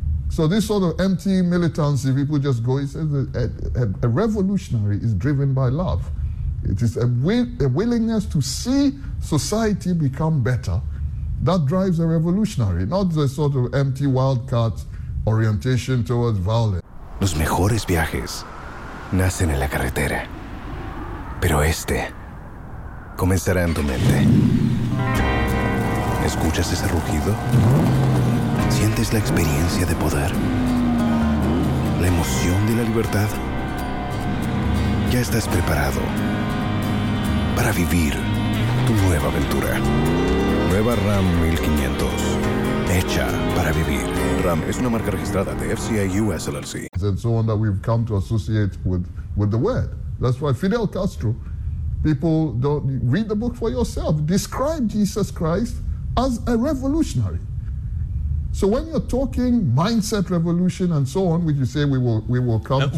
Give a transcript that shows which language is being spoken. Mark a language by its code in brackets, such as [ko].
[en] So this sort of empty militancy, people just go, he says a revolutionary is driven by love. It is a willingness to see society become better that drives a revolutionary, not the sort of empty wildcard orientation towards violence. [es] Los mejores viajes nacen en la carretera, pero este comenzará en tu mente. ¿Escuchas ese rugido? ¿Sientes la experiencia de poder? ¿La emoción de la libertad? Ya estás preparado para vivir tu nueva aventura. Nueva Ram 1500. Hecha para vivir. Ram es una marca registrada de FCA US LLC. [en] And so on that we've come to associate with the word. That's why Fidel Castro, people don't read the book for yourself. Describe Jesus Christ as a revolutionary. So when you're talking mindset revolution and so on, which you say we will come to.